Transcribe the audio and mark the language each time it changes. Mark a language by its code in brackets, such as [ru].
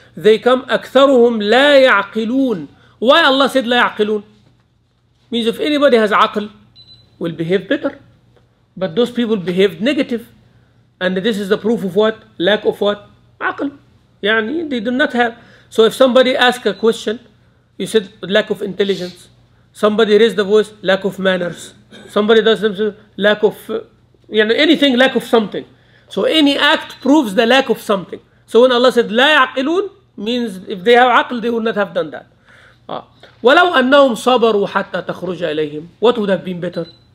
[en] They come, [ar] أكثرهم لا يعقلون. [en] Why Allah said [ar] لا يعقلون? [en] Means if anybody has عقل will behave better, but those people behaved negative, and this is the proof of what? Lack of what? عقل. يعني they do not have. So if somebody ask a question, you said lack of intelligence. Somebody raised the voice, lack of manners. Somebody does something, lack of, you know, anything, lack of something. So any act proves the lack of something. So when Allah said, [ar] لا يعقلون, [en] means if they have عقل, they would not have done that. [ar] ولو أنهم صبروا حتى تخرج إليهم, [en] what would have been better?